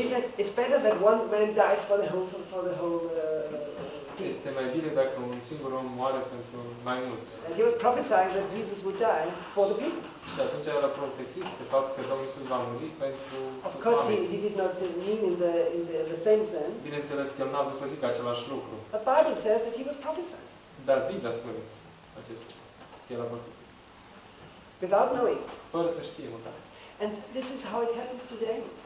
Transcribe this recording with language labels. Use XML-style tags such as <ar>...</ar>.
<en>He said, it's better that one man dies for the whole</en> <ro>este mai bine dacă un singur om moare pentru mai mulți.</ro> <en>And he was prophesying that Jesus would die for the people.</en> <ro>Și atunci era profețit de fapt că Domnul Iisus va muri pentru</ro> <en>of course he did not mean in the same sense.</en> <ro>Bineînțeles că el n-a vrut să zică același lucru.</ro> <en>The Bible says that he was prophesying.</en> <ro>Dar Biblia spune acest lucru. El a profețit.</ro> <en>Without knowing.</en> <ro>Fără să știe măcar.</ro> <en>And this is how it happens today.</en>